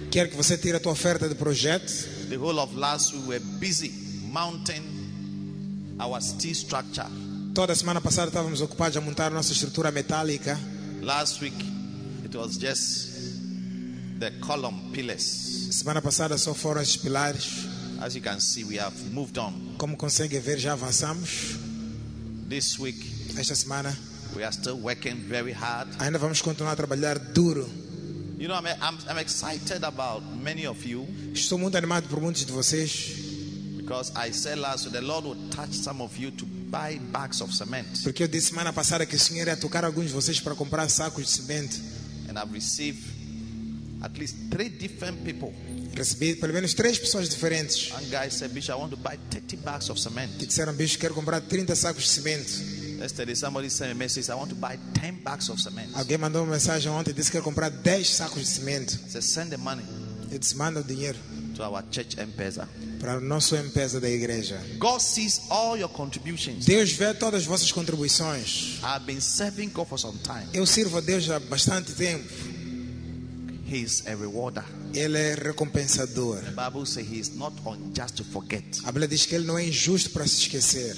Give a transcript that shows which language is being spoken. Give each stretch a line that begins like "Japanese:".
Portuguese: Quer que você tire a tua oferta de projeto.
English: The whole of last week we were busy mounting our steel structure.
Portuguese: Toda semana passada estávamos ocupados a montar nossa estrutura metálica.
English: Last week it was just the column pillars.
Portuguese: Semana passada só foram os pilares.
English: As you can see, we have moved on.
Portuguese: Como consegue ver, já avançamos.
English: This week,
Portuguese: esta semana,
English: we are still working very hard.
Portuguese: Ainda vamos continuar a trabalhar duro.
English: You know, I'm excited about many of you.
Portuguese: Estou muito animado por muitos de vocês.
English: Because I said last week, the Lord will touch some of you to buy bags of cement.
Portuguese: Porque eu disse semana passada que o Senhor ia tocar alguns de vocês para comprar sacos de cimento.
English: And I've received at least 3 different people.
Portuguese: Recebi pelo menos 3 pessoas diferentes.
English: One guy said, "Bishop, I want to buy 30 bags of cement."
Portuguese: Disseram, bicho, quero comprar 30 sacos de cimento.
English: Yesterday, somebody sent a message, "I want to buy 10 bags of cement."
Portuguese: Alguém mandou uma mensagem ontem, disse que quer comprar 10 sacos de cimento.
English: He said, "Send the money."
Portuguese: Ele disse, manda o dinheiro.
English: To our church M-Pesa.
Portuguese: Para o nosso M-Pesa da igreja.
English: God sees all your contributions.
Portuguese: Deus vê todas as vossas contribuições.
English: I've been serving God for some time.
Portuguese: Eu sirvo a Deus há bastante tempo.
English: He is a rewarder.
Portuguese: Ele é recompensador.
English: The Bible says he is not unjust to forget.
Portuguese: A Bíblia diz que ele não é injusto para se esquecer.